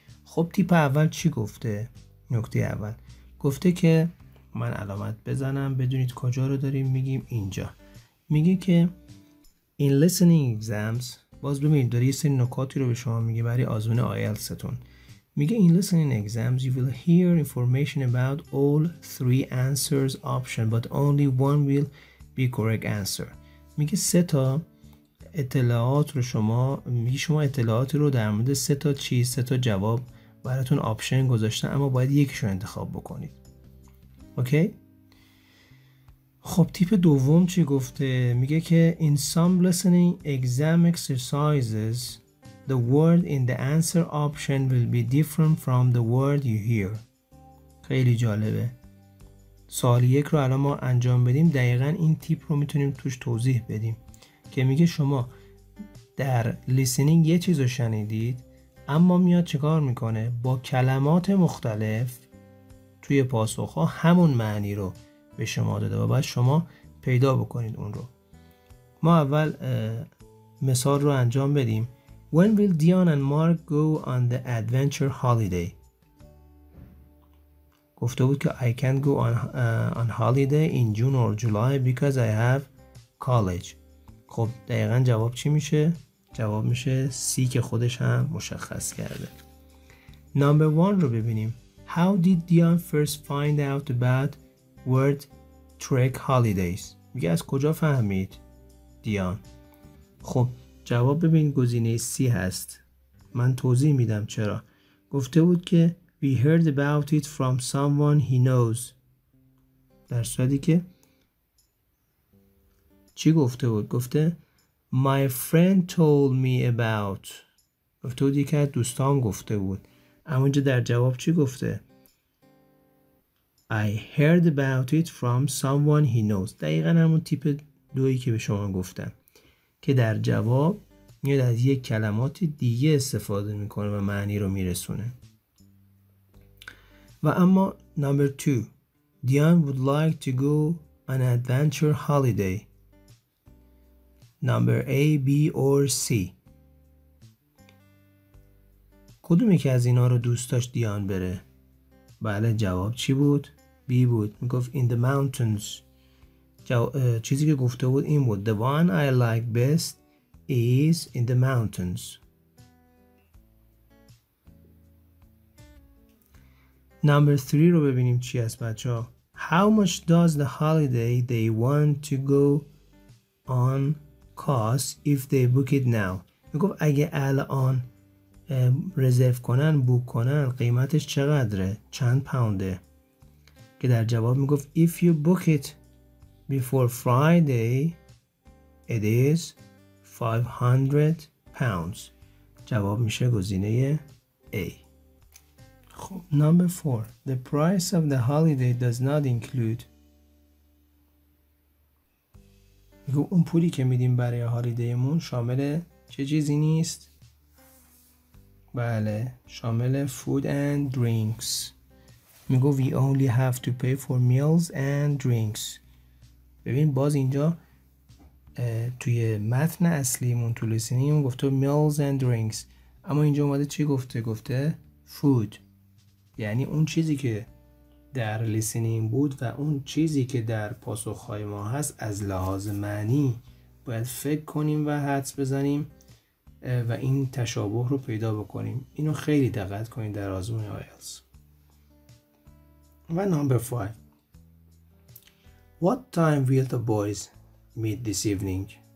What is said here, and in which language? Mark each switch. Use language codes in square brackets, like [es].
[fa] خب تیپ اول چی گفته؟ نکته اول گفته که من علامت بزنم بدونید کجا رو داریم میگیم اینجا. میگه که [en] in listening exams [fa] باز ببینید داری یه سری نکاتی رو به شما میگه برای آزمون IELTS‌تون. [en] میگه in listening exams you will hear information about all three answers option but only one will be correct answer. [fa] میگه سه تا اطلاعات رو شما اطلاعات رو در مورد سه تا چیز سه تا جواب براتون آپشن گذاشتن اما باید یکیش رو انتخاب بکنید. اوکی خب تیپ دوم چی گفته؟ میگه که [en] in some listening exam exercises the word in the answer option will be different from the word you hear. [fa] خیلی جالبه. سوال یک رو الان ما انجام بدیم، دقیقا این تیپ رو میتونیم توش توضیح بدیم که میگه شما در لیسنینگ یه چیز رو شنیدید، اما میاد چیکار میکنه؟ با کلمات مختلف توی پاسخها همون معنی رو به شما داده و بعد شما پیدا بکنید اون رو. ما اول مثال رو انجام بدیم. [en] When will Dion and Mark go on the adventure holiday؟ [fa] گفته بود که [en] I can't go on holiday in June or July because I have college. [fa] خب دقیقا جواب چی میشه؟ جواب میشه C که خودش هم مشخص کرده. [en] Number one [fa] رو ببینیم. [en] How did Dion first find out about world trek holidays؟ [fa] میگه از کجا فهمید دیان؟ خب جواب ببین گزینه C هست. من توضیح میدم چرا. گفته بود که [en] We heard about it from someone he knows. [fa] در صورتی که چی گفته بود؟ گفته [en] My friend told me about. [fa] گفته بود یکی از دوستان گفته بود. اما اینجا در جواب چی گفته؟ [en] I heard about it from someone he knows. [fa] دقیقا همون تیپ دویی که به شما گفتم، که در جواب میاد از یک کلمات دیگه استفاده میکنه و معنی رو میرسونه. و اما [en] number two. Dion would like to go an adventure holiday. Number A, B or C. [fa] کدومی که از اینا رو دوست داشت دیان بره؟ بله جواب چی بود؟ B بود. میگفت [en] in the mountains. [fa] چیزی که گفته بود این بود. [en] The one I like best is in the mountains. Number three [fa] رو ببینیم چی هست بچه ها. [en] How much does the holiday they want to go on cost if they book it now? [fa] میگفت اگه الان رزرو کنن، بوک کنن، قیمتش چقدره؟ چند پونده؟ که در جواب میگفت [en] If you book it before Friday, it is 500 pounds. [fa] جواب میشه گزینه A. خب number 4. [en] The price of the holiday does not include. [fa] میگو اون پولی که میدیم برای هالیدیمون شامل چه چیزی نیست؟ بله شامل [en] food and drinks. میگو we only have to pay for meals and drinks. [fa] ببین باز اینجا توی متن اصلیمون تو لیسنینگمون گفته [en] meals and drinks، [fa] اما اینجا اومده چی گفته؟ گفته food، یعنی اون چیزی که در لیسنینگ بود و اون چیزی که در پاسخهای ما هست از لحاظ معنی باید فکر کنیم و حدس بزنیم و این تشابه رو پیدا بکنیم. اینو خیلی دقت کنید در آزمون IELTS. و number 5. [en] What time will the boys meet this evening?